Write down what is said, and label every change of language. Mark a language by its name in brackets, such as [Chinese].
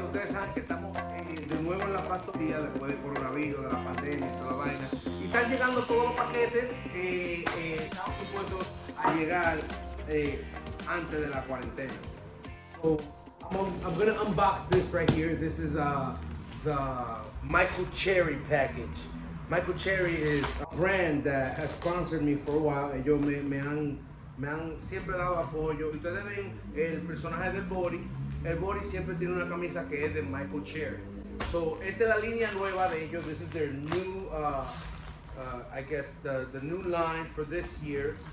[Spanish] Ustedes saben que estamos de nuevo en la pastoría después del coronavirus, de la pandemia y toda la vaina. Y están llegando todos los paquetes que estamos supuestos a llegar antes de la cuarentena. [English] So, I'm going to unbox this right here. This is the Michael Cherry package. Michael Cherry is a brand that has sponsored me for a while. [Spanish] Ellos me han siempre dado apoyo. Ustedes ven el personaje del Body. El Body siempre tiene una camisa que es de Michael Cherry. So, esta es la línea nueva de ellos. [English] This is their new, the new line for this year.